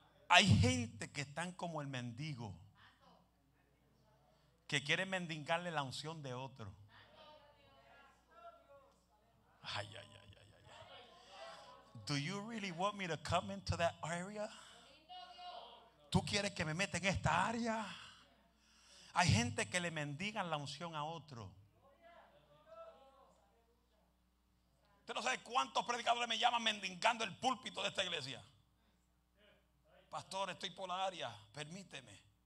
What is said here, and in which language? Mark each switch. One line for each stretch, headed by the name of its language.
Spanish: Hay gente que están como el mendigo, que quiere mendigarle la unción de otro. Ay, ay, ay, ay, ay.
English: Do you really want me to come into that area?
Spanish: ¿Tú quieres que me meta en esta área? Hay gente que le mendigan la unción a otro. Usted no sabe cuántos predicadores me llaman mendigando el púlpito de esta iglesia. Pastor, estoy por la área, permíteme.